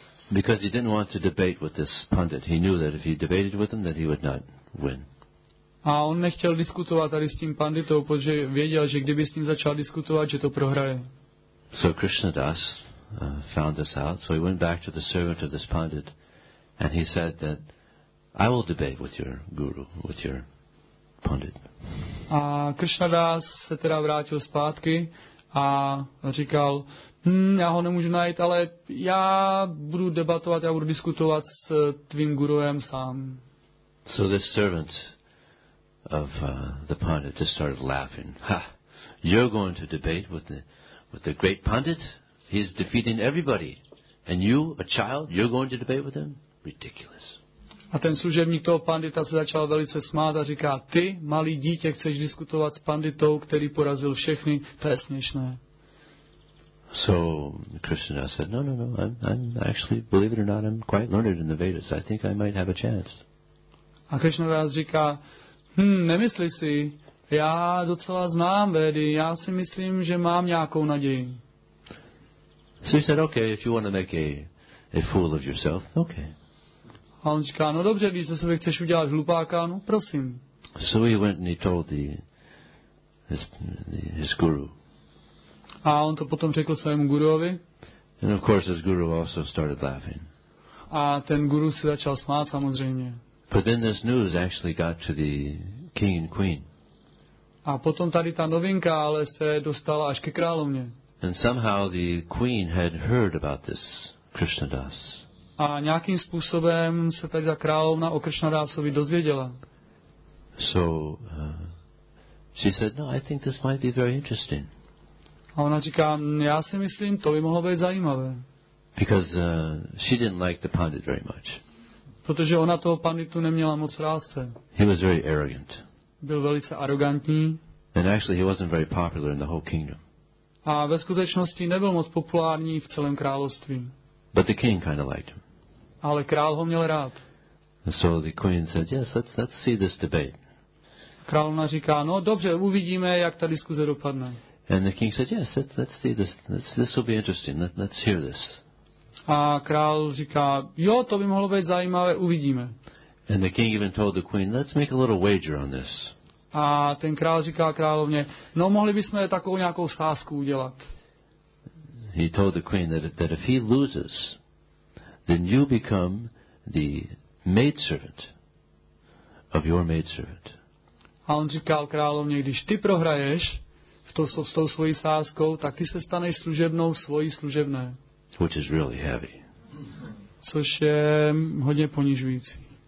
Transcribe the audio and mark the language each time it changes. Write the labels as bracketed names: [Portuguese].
[English] Because he didn't want to debate with this pundit. He knew that if he debated with him, that he would not win. [Czech] A on nechtěl diskutovat tady s tím panditou, protože věděl, že kdyby s ním začal diskutovat, že to prohraje. [English] So Krishnadas found this out, so he went back to the servant of this pundit and he said that I will debate with your guru, with your pundit. [Czech] A Krishnadas se teda vrátil zpátky a říkal, já ho nemůžu najít, ale já budu debatovat, já budu diskutovat s tvým guruem sám. [English] So this servant of the pundit just started laughing. Ha! You're going to debate with the great pundit? He's defeating everybody. And you, a child, you're going to debate with him? Ridiculous. [Czech] A ten služebník toho pandita se začal velice smát a říká, ty, malý dítě, chceš diskutovat s panditou, který porazil všechny, to je směšné. [English] So Krishna said, no, I'm actually, believe it or not, I'm quite learned in the Vedas. I think I might have a chance. [Czech] A Krishna říká, nemyslí si, Já docela znám vedy, já si myslím, že mám nějakou naději. [English] So he said, okay, if you want to make a fool of yourself, okay. [Czech] A on říká, no dobře, když se sebe chceš udělat hlupáka, no prosím. [English] So he went and he told his guru. [Czech] A on to potom řekl svému guruovi. [English] And of course his guru also started laughing. [Czech] A ten guru se začal smát samozřejmě. [English] But then this news actually got to the king and queen. [Czech] A potom tady ta novinka ale se dostala až ke královně. [English] And somehow the queen had heard about this Krishnadas. [Czech] A nějakým způsobem se tady ta královna o Krishnadasovi dozvěděla. [English] So she said, no, I think this might be very interesting. [Czech] A ona říká, já si myslím, to by mohlo být zajímavé. [English] Because she didn't like the pandit very much. [Czech] Protože ona toho panditu neměla moc ráda. [English] He was very arrogant. [Czech] Byl velice arrogantní. [English] And actually he wasn't very popular in the whole kingdom. [Czech] A ve skutečnosti nebyl moc populární v celém království. [English] But the king kind of liked him. [Czech] Ale král ho měl rád. [English] And so the queen said, yes, let's see this debate. [Czech] Královna říká, no dobře, uvidíme, jak ta diskuze dopadne. [English] And the king said, yes, let's see this. This will be interesting. Let's hear this. [Czech] A král říká, jo, to by mohlo být zajímavé, uvidíme. [English] And the king even told the queen, let's make a little wager on this. [Czech] A ten král říká královně, no mohli bychom takovou nějakou sázku udělat. [English] He told the queen that if he loses, then you become the maidservant of your maidservant. [Czech] A on říkal královně, když ty prohraješ s tou svojí sázkou, tak ty se staneš služebnou svojí služebné. [English] Which is really heavy. [Czech] Což je hodně ponižující.